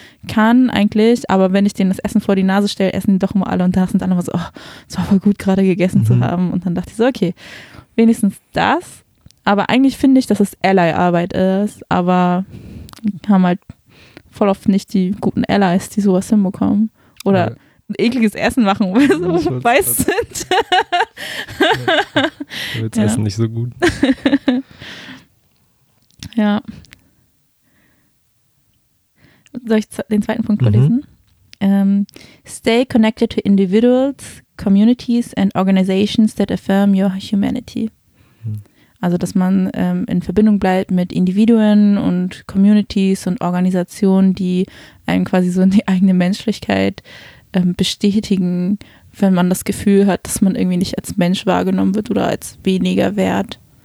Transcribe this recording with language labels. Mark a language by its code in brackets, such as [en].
[de] kann eigentlich, aber wenn ich denen das Essen vor die Nase stelle, essen die doch immer alle und da sind alle immer so, oh, es war voll gut, gerade gegessen zu haben und dann dachte ich so, okay, wenigstens das, aber eigentlich finde ich, dass es Ally-Arbeit ist, aber haben halt voll oft nicht die guten Allies, die sowas hinbekommen. Oder ein ekliges Essen machen, weil sie so weiß sind. Jetzt ja. Essen nicht so gut. Ja. Soll ich den zweiten Punkt vorlesen? [en] Stay connected to individuals, communities and organizations that affirm your humanity. [de] Also, dass man in Verbindung bleibt mit Individuen und Communities und Organisationen, die einem quasi so in die eigene Menschlichkeit bestätigen, wenn man das Gefühl hat, dass man irgendwie nicht als Mensch wahrgenommen wird oder als weniger wert.